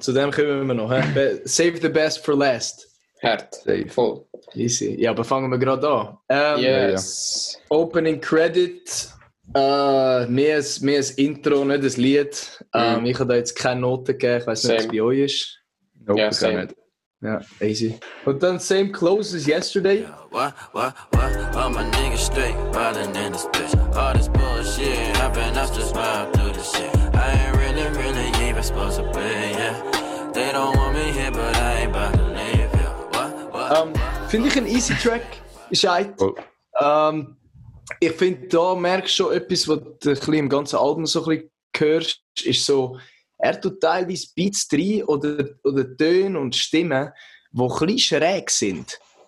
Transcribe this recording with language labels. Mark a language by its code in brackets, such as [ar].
[en] Save the best for last. [de] Hart, voll. [en] Easy. [de] Ja, aber fangen wir gerade an. [en] Yes. [de] Opening Credit, mehr als Intro, nicht das Lied. Ich habe da jetzt keine Noten gegeben, ich weiß nicht, was bei euch ist. [en] Nope, yeah, same. [de] Ja, easy. Und dann [en] same clothes as yesterday. Why all my niggas straight, violent in this bitch. All this bullshit happen, I just vibe through this shit. I ain't really, really even supposed to be, yeah. They don't want me here, but I ain't about to leave, yeah. [de] Finde ich ein easy track, Scheit. Ich finde, da merkst du schon etwas, was du im ganzen Album so ein bisschen hörst, ist so, er tut teilweise Beats rein oder Töne und Stimmen, die ein bisschen schräg sind.